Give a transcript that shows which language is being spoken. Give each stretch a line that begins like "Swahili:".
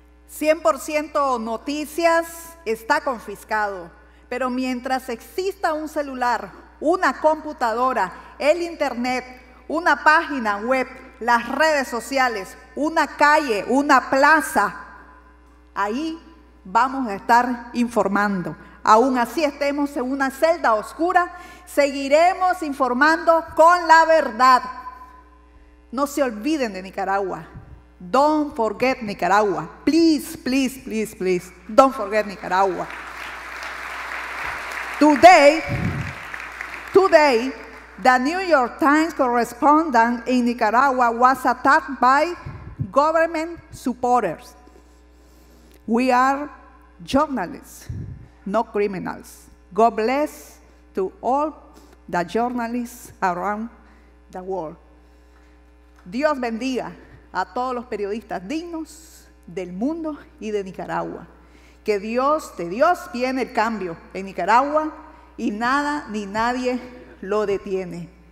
Spanish: 100% Noticias está confiscado, pero mientras exista un celular, una computadora, el internet, una página web, las redes sociales, una calle, una plaza, ahí vamos a estar informando. Aún así estemos en una celda oscura, seguiremos informando con la verdad. No se olviden de Nicaragua.
English: Don't forget Nicaragua. Please, please, please, please. Don't forget Nicaragua. Today, the New York Times correspondent in Nicaragua was attacked by government supporters. We are journalists, not criminals. God bless to all the journalists around the world.
Spanish: Dios bendiga a todos los periodistas dignos del mundo y de Nicaragua. Que Dios, de Dios viene el cambio en Nicaragua y nada ni nadie lo detiene.